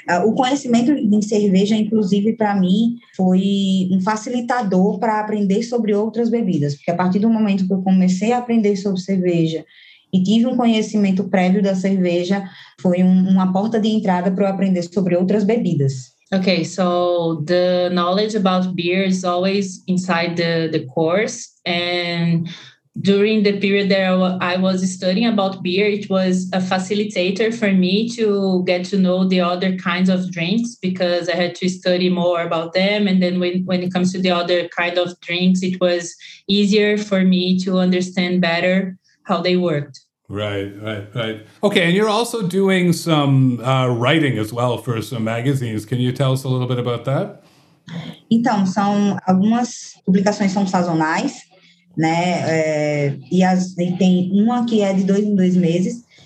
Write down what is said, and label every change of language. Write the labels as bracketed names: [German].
[Portuguese] O conhecimento em cerveja, inclusive, para mim, foi facilitador para aprender sobre outras bebidas. Porque a partir do momento que eu comecei a aprender sobre cerveja, e tive conhecimento prévio da cerveja, foi uma porta de entrada para eu aprender sobre outras bebidas. [English] Okay, so the knowledge about beer is always inside the course. And during the period that I was studying about beer, it was a facilitator for me to get to know the other kinds of drinks, because I had to study more about them. And then when it comes to the other kind of drinks, it was easier for me to understand better how they worked. Right. Okay, and you're also doing some writing as well for some magazines. Can you tell us a little bit about that? [Portuguese] Então, são algumas publicações são sazonais, né? E tem uma que é de dois em dois meses.